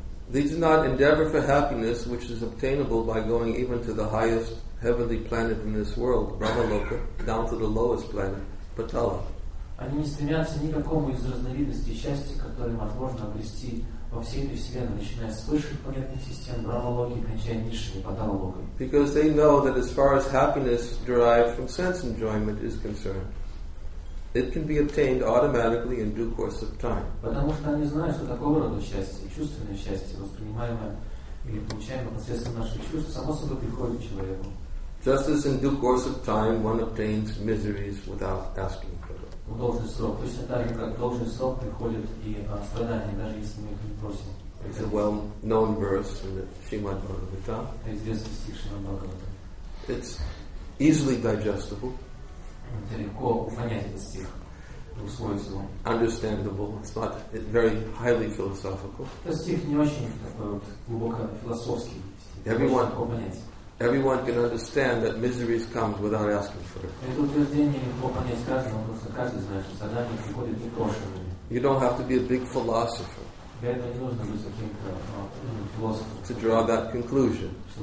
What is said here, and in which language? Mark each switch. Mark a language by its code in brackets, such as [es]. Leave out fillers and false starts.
[en] They do not endeavor for happiness, which is obtainable by going even to the highest heavenly planet in this world, Brahmaloka, down to the lowest planet, Patala. [ru] Они не стремятся ни к какому из разновидностей счастья, которое возможно обрести во всей Вселенной, начиная с высших планетных систем, Брахмалоки, и кончая низшими, Паталалокой. [en] Because they know that as far as happiness derived from sense enjoyment is concerned, it can be obtained automatically in due course of time. [ru] Потому что они знают, что такого рода счастье, чувственное счастье, воспринимаемое или получаемое посредством наших чувств, само собой приходит к человеку. [en] Just as in due course of time one obtains miseries without asking. [ru] В должный срок. Точно так же, как в должный срок приходят и страдания, даже если мы их не просим. [en] It's a well-known verse in the Srimad Bhagavatam. [ru] Это известный стих Шримад Бхагаватам. [en] It's easily digestible. [ru] Это легко понять этот стих. [en] Understandable. It's not very highly philosophical. [ru] Этот стих не очень такой вот глубоко философский стих. [en] Everyone, [ru] легко понять. [en] Everyone can understand that misery comes without asking for it. You don't have to be a big philosopher to draw that conclusion.